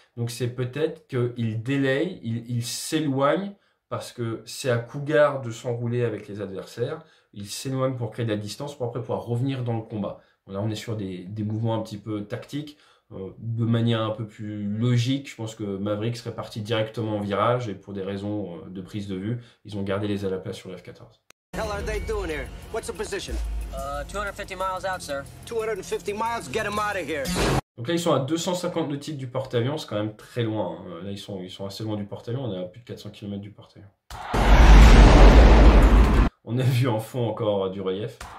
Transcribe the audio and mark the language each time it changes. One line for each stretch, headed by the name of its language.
French: Donc c'est peut-être qu'il délaye, il s'éloigne, parce que c'est à Cougar de s'enrouler avec les adversaires. Il s'éloigne pour créer de la distance, pour après pouvoir revenir dans le combat. Là, on est sur des mouvements un petit peu tactiques, de manière un peu plus logique. Je pense que Maverick serait parti directement en virage et pour des raisons de prise de vue, ils ont gardé les ailes à la place sur le F-14.
English: What the hell are they doing here? What's the position? 250 miles out, sir. 250 miles, get him out of here.
French: Donc là, ils sont à 250 nautiques du porte-avions, c'est quand même très loin. Là, ils sont assez loin du porte-avions, on est à plus de 400 km du porte-avions. On a vu en fond encore du relief.